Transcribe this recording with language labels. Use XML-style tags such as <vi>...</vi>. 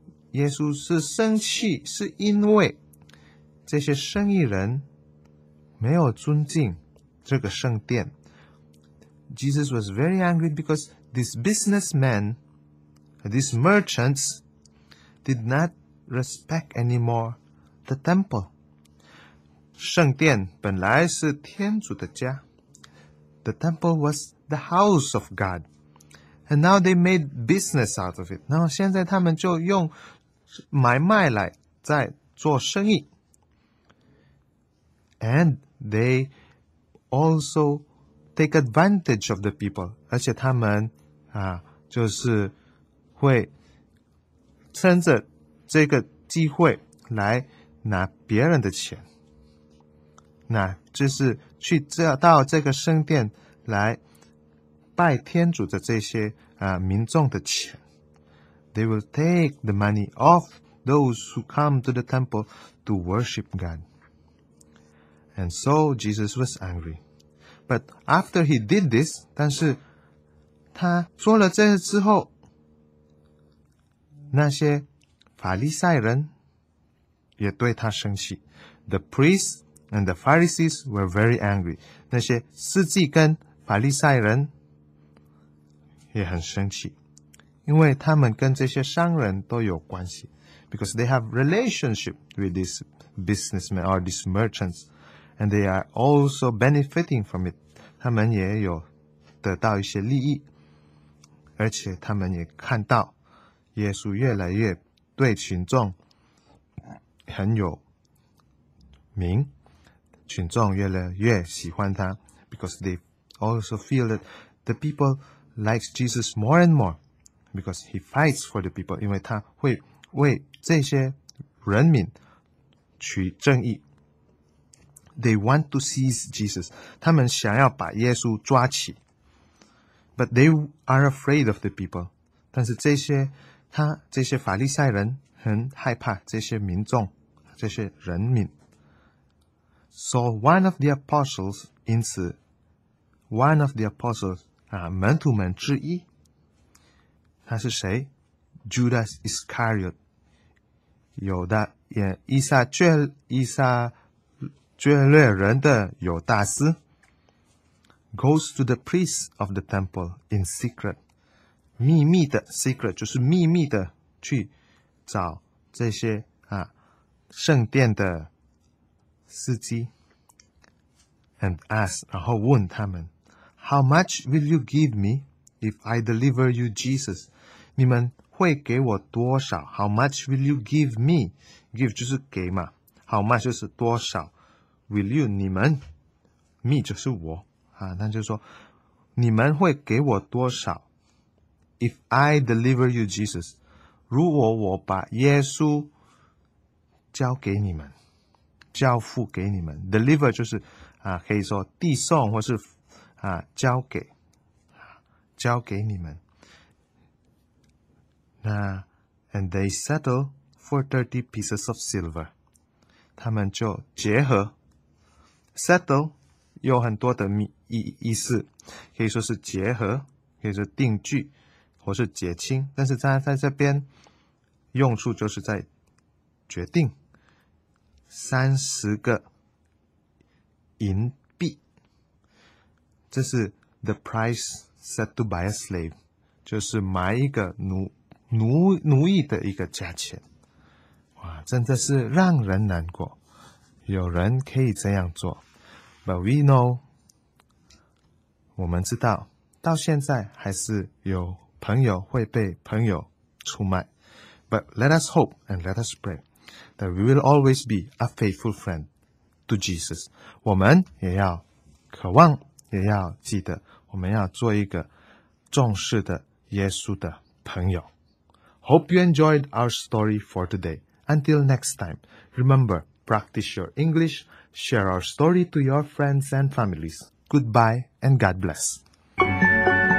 <en>耶稣是生气是因为这些生意人没有尊敬这个圣殿 Jesus was very angry because this businessman these merchants did not respect anymore the temple 圣殿本来是天主的家 The temple was the house of God. And now they made business out of it. 然后现在他们就用</en> <zh>买卖来在做生意。</zh> <en>And they also take advantage of the people.</en> <zh>而且他们啊，就是会趁着这个机会来拿别人的钱。那就是去到这个圣殿来拜天主的这些啊民众的钱。</zh> <en>They will take the money of those who come to the temple to worship God. And so Jesus was angry.</en> <zh>But after he did this, 但是他做了这些之后，那些法利赛人也对他生气。</zh> <en>The priests and the Pharisees were very angry.</en> <zh>那些司祭跟法利赛人也很生气。因为他们跟这些商人都有关系 because they have relationship with these businessmen or these merchants and they are also benefiting from it 他们也有得到一些利益而且他们也看到耶稣越来越对群众</zh> <en>很有名群众越来越喜欢他 because they also feel that the people likes Jesus more and moreBecause he fights for the people, 因为他会为这些人民取正义。 They want to seize Jesus, 他们想要把耶稣抓起。</en> <zh>But they are afraid of the people, 但是这些法利赛人很害怕这些民众，这些人民。</zh> <en>So one of the apostles, 因此 one of the apostles, 门徒们之一他是谁？Judas Iscariot， 犹大，以撒略人的犹大斯，goes to the priest of the temple in secret， 秘密的 secret 就是秘密的去找这些啊圣殿的司机，and ask，然后问他们，How much will you give me if I deliver you Jesus？你们会给我多少？How much will you give me?</en> <zh>Give 就是给嘛。How much 就是多少 ？Will you 你们 ？Me 就是我啊。那就是说，你们会给我多少 ？ If I deliver you Jesus，如果我把耶稣交给你们，交付给你们 ，deliver 就是啊，可以说递送或是啊交给你们。</zh> <en>And they settle for 30 pieces of silver.</en> <zh>他们就结合 settle 有很多的意思，可以说是结合，可以说定居，或是结亲。但是在这边用处就是在决定30个银币。这是 the price set to buy a slave，就是买一个奴役的一个价钱，哇，真的是让人难过。有人可以这样做 ， But we know，我们知道，到现在还是有朋友会被朋友出卖。</zh> <en>But let us hope and let us pray that we will always be a faithful friend to Jesus。</en> <zh>我们也要渴望，也要记得，我们要做一个重视的耶稣的朋友。</zh> <en>Hope you enjoyed our story for today. Until next time, remember, practice your English, share our story to your friends and families. Goodbye and God bless.</en>